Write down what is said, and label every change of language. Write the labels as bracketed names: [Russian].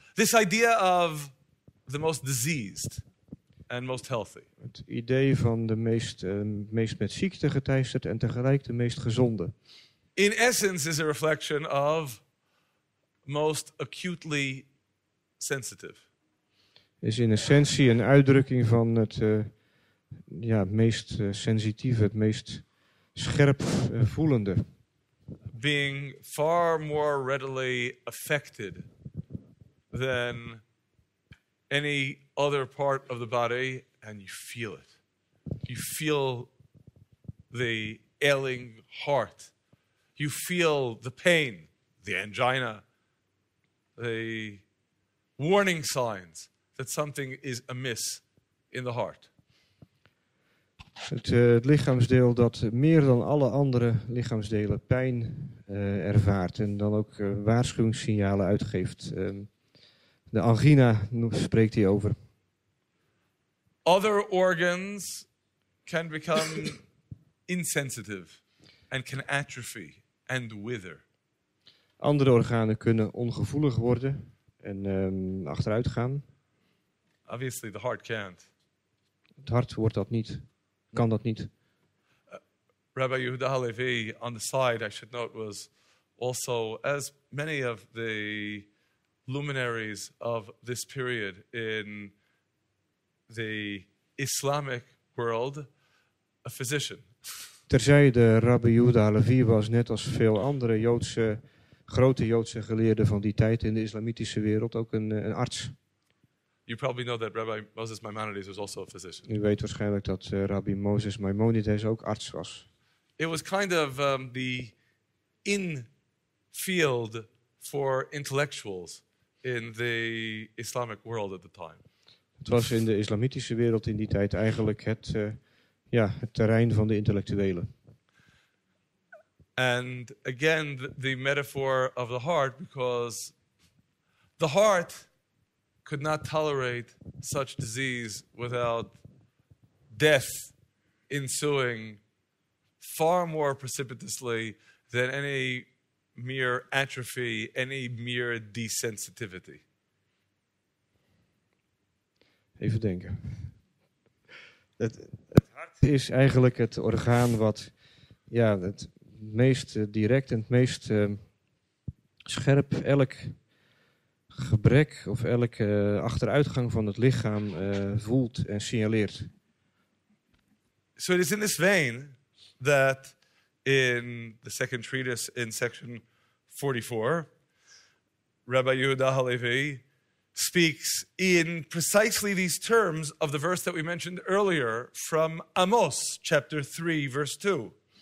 [English] This idea of the most diseased and most healthy. [Dutch] Het idee van de meest met ziekte geteisterd en tegelijk de meest gezonde. [English] In essence is a reflection of most acutely sensitive. [Dutch] Is in essentie een uitdrukking van het meest sensitieve, het meest scherp voelende. [English] Being far more readily affected than any other part of the body, and you feel it. You feel the ailing heart. You feel the pain, the angina, the warning signs that something is amiss in the heart. [Dutch] Het lichaamsdeel dat meer dan alle andere lichaamsdelen pijn ervaart en dan ook waarschuwingssignalen uitgeeft. De angina spreekt hij over. [English] Other organs can become insensitive and can atrophy and wither. [Dutch] Andere organen kunnen ongevoelig worden en achteruit gaan. [English] Obviously the heart can't. [Dutch] Het hart wordt dat niet. Kan dat niet. [English] Rabbi Yehuda Halevi, on the side, I should note, was also, as many of the luminaries of this period in the Islamic world, a physician. [Dutch] Terzijde, Rabbi Yehuda Halevi was net als veel andere Joodse, grote Joodse geleerden van die tijd in de islamitische wereld ook een arts. [English] You probably know that Rabbi Moses Maimonides was also a physician. [Dutch] U weet waarschijnlijk dat Rabbi Moses Maimonides ook arts was. [English] It was kind of the in field for intellectuals in the Islamic world at the time. [Dutch] Het was in de islamitische wereld in die tijd eigenlijk het terrein van de intellectuelen. [English] And again the metaphor of the heart, because the heart could not tolerate such disease without death ensuing far more precipitously than any mere atrophy, any mere desensitivity. [Dutch] Even denken. Het hart is eigenlijk het orgaan wat het meest direct en het meest scherp elk gebrek of elke achteruitgang van het lichaam voelt en signaleert. [English] So it is in this vein that in the second treatise in section 44, Rabbi Yehuda Halevi speaks in precisely these terms of the verse that we mentioned earlier from Amos chapter 3 verse 2.